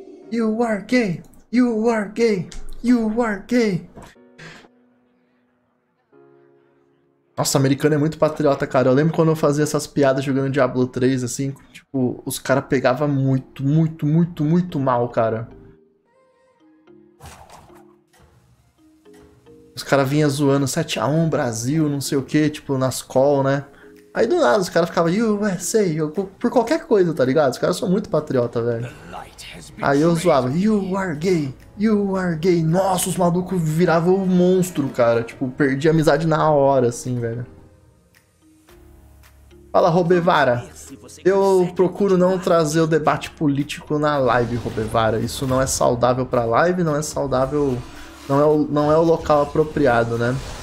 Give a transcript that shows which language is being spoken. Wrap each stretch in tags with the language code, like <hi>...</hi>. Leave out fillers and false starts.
<en>You are gay, you are gay, you are gay.</en> <pt>Nossa, americano é muito patriota, cara. Eu lembro quando eu fazia essas piadas jogando Diablo 3, assim, tipo, os caras pegavam muito, muito, muito, muito mal, cara. Os caras vinham zoando 7-1 Brasil, não sei o que, tipo, nas call, né? Aí do nada os caras ficavam USA, por qualquer coisa, tá ligado? Os caras são muito patriota, velho. Aí eu zoava,</pt> <en>you are gay, you are gay.</en> <pt>Nossa, os malucos viravam um monstro, cara. Tipo, perdi a amizade na hora, assim, velho. Fala, Robevara. Eu procuro não trazer o debate político na live, Robevara. Isso não é saudável pra live, não é saudável... Não é o local apropriado, né?</pt>